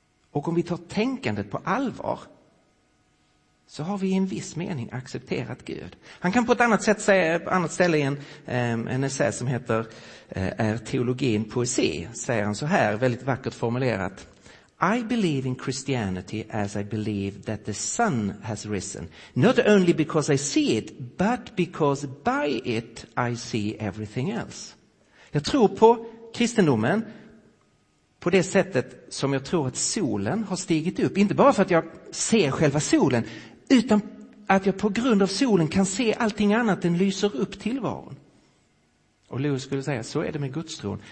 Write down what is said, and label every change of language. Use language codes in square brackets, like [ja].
[sv] Och om vi tar tänkandet på allvar så har vi i en viss mening accepterat Gud. Han kan på ett annat sätt säga, på annat ställe i en essä som heter Är teologin poesi? Säger han så här, väldigt vackert formulerat. [en] I believe in Christianity as I believe that the sun has risen. Not only because I see it, but because by it I see everything else. [sv] Jag tror på kristendomen på det sättet som jag tror att solen har stigit upp. Inte bara för att jag ser själva solen, utan att jag på grund av solen kan se allting annat. Den lyser upp tillvaron. Och Lewis skulle säga, så är det med gudstron.